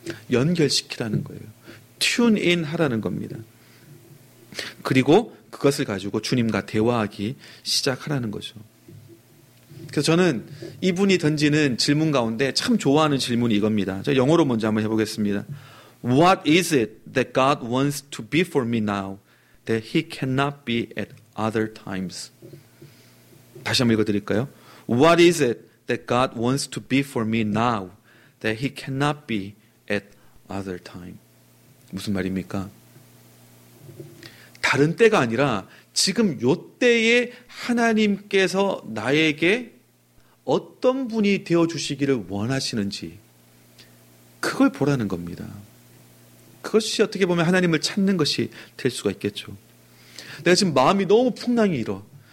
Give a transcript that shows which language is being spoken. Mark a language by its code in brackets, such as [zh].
[ko] 연결시키라는 거예요. 튠인 하라는 겁니다. 그리고 그것을 가지고 주님과 대화하기 시작하라는 거죠. 그래서 저는 이분이 던지는 질문 가운데 참 좋아하는 질문이 이겁니다. 제가 영어로 먼저 한번 해보겠습니다. [en] What is it that God wants to be for me now that he cannot be at other times? [ko] 다시 한번 읽어드릴까요? [en] What is it that God wants to be for me now that he cannot be at other time? [ko] 무슨 말입니까? 다른 때가 아니라 지금 이때에 하나님께서 나에게 어떤 분이 되어주시기를 원하시는지 그걸 보라는 겁니다. 그것이 어떻게 보면 하나님을 찾는 것이 될 수가 있겠죠. 내가 지금 마음이 너무 풍랑이 일어.